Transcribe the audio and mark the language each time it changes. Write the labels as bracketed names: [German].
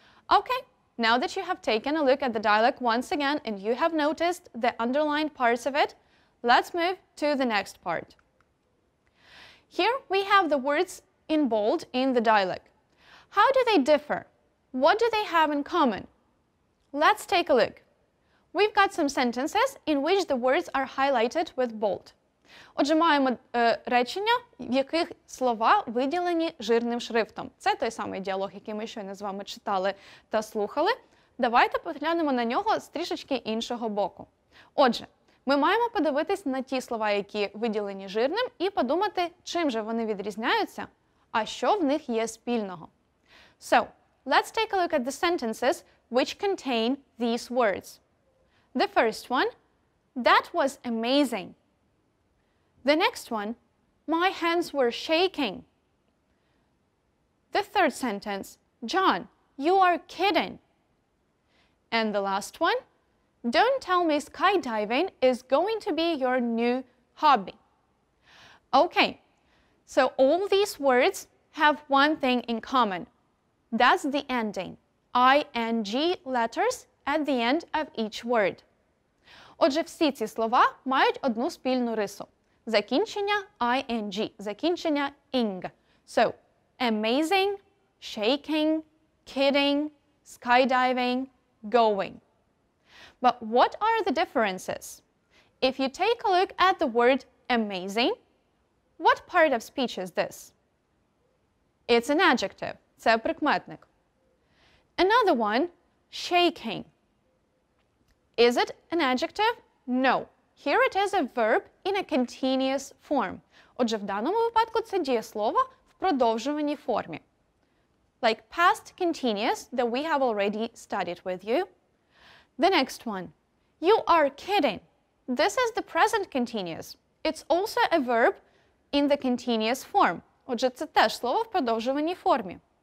[English] Okay, now that you have taken a look at the dialogue once again and you have noticed the underlined parts of it, let's move to the next part. Here we have the words in bold in the dialogue. How do they differ? What do they have in common? Let's take a look. We've got some sentences in which the words are highlighted with bold. [Ukrainian] Отже, маємо речення, в яких слова виділені жирним шрифтом. Це той самий діалог, який ми щойно з вами читали та слухали. Давайте поглянемо на нього з трішечки іншого боку. Отже, ми маємо подивитись на ті слова, які виділені жирним, і подумати, чим же вони відрізняються, а що в них є спільного. [English] So, let's take a look at the sentences which contain these words. The first one, that was amazing. The next one, my hands were shaking. The third sentence, John, you are kidding. And the last one, don't tell me skydiving is going to be your new hobby. Okay, so all these words have one thing in common. That's the ending, ing letters at the end of each word. [Ukrainian] Отже, всі ці слова мають одну спільну рису. Закінчення ing, закінчення ing. [English] So, amazing, shaking, kidding, skydiving, going. But what are the differences? If you take a look at the word amazing, what part of speech is this? It's an adjective. [Ukrainian] Це прикметник. [English] Another one, shaking. Is it an adjective? No. Here it is a verb in a continuous form. [Ukrainian] Отже, в даному випадку це дієслово в продовжуваній формі. [English] Like past continuous that we have already studied with you. The next one, you are kidding. This is the present continuous. It's also a verb in the continuous form. [Ukrainian] Отже, це теж слово в продовжуваній формі.